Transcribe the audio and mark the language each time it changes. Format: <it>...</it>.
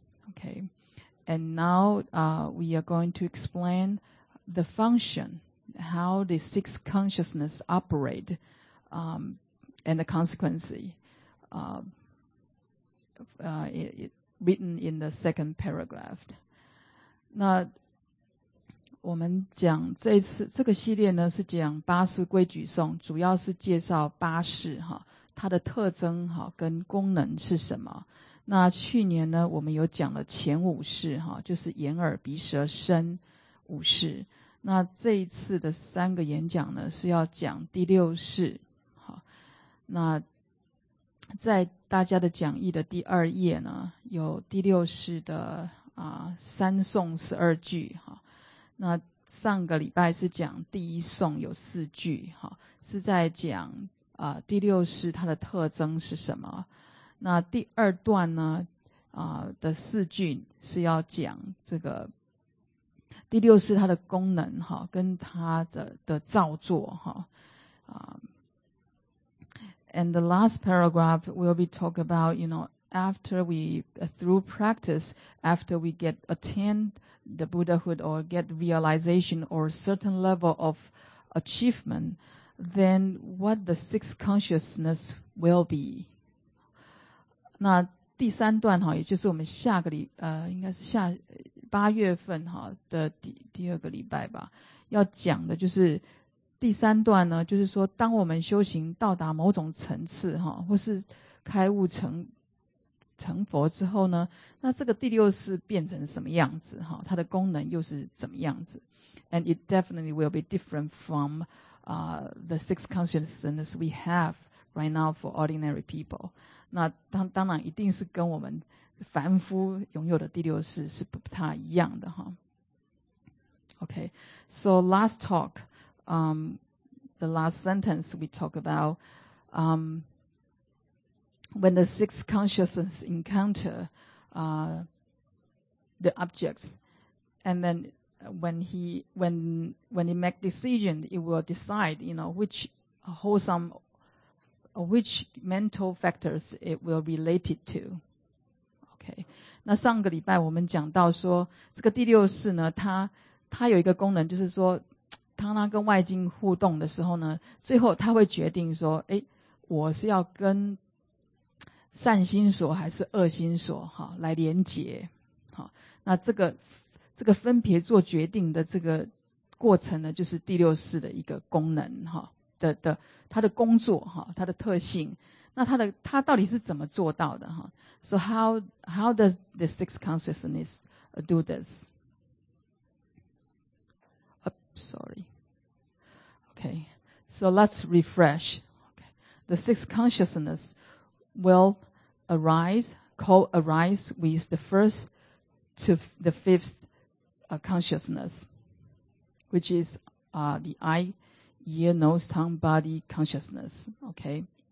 <en>Okay, and now we are going to explain the function, how the six consciousness operate, and the consequence written in the second paragraph.</en> <zh>那我们讲这一次这个系列呢是讲八识规矩颂，主要是介绍八识哈，它的特征哈跟功能是什么。那去年呢我们有讲了前五识哈，就是眼耳鼻舌身五识。那这一次的三个演讲呢是要讲第六识。好，那在大家的讲义的第二页呢有第六识的三颂十二句哈。那上个礼拜是讲第一颂有四句哈，是在讲第六识它的特征是什么。那第二段呢的四句是要讲这个第六识它的功能齁，跟它的造作齁。</zh> <en>And the last paragraph will be talk about, you know, after we, through practice, after we get attained the Buddhahood or get realization or certain level of achievement, then what the sixth consciousness will be.</en> <zh>那第三段也就是我们下个礼应该是下八月份的第二个礼拜吧，要讲的就是第三段呢，就是说当我们修行到达某种层次或是开悟成佛之后呢，那这个第六识变成什么样子，它的功能又是怎么样子。</zh> <en>And it definitely will be different from the six consciousness we haveright now for ordinary people.</en> <zh>那当然一定是跟我们凡夫拥有的第六识是不太一样的。</zh> <en>Okay, so last talk, the last sentence we talk about, when the sixth consciousness encounter the objects, and then when he make decision, it will decide, you know, which wholesome,which mental factors it will be related to. Okay.</en> <zh>那上个礼拜我们讲到说这个第六识呢它有一个功能，就是说当它跟外境互动的时候呢，最后它会决定说我是要跟善心所还是恶心所来连结。那这个分别做决定的这个过程呢，就是第六识的一个功能。他的工作他的特性，那他到底是怎么做到的。</zh> <en>So how does the sixth consciousness do this? Sorry. Okay, so let's refresh. Okay. The sixth consciousness will co-arise with the first to the fifth consciousness, which is the eye,ear, nose, tongue, body, consciousness. Okay.</en>